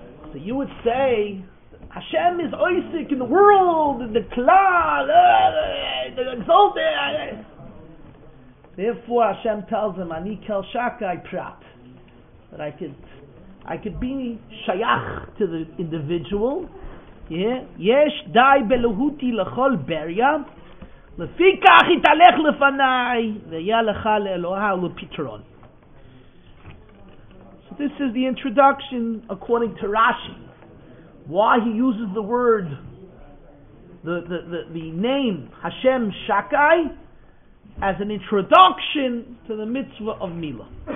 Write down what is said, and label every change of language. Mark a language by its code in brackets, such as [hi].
[en] So you would say, Hashem is Osek in the world, in the Klal, the exalted. Therefore Hashem tells him, [he] Ani Kel Shakai Prat. [en] That I could be Shayach to the individual. [he] Yeah? Yesh Dai Beluhuti Lachol Beria. לפיכך יתהלך לפניי ויהיה לך לאלוהה ולפתרון. [en] So this is the introduction according to Rashi. Why he uses the word, the name Hashem Shakai as an introduction to the mitzvah of Mila.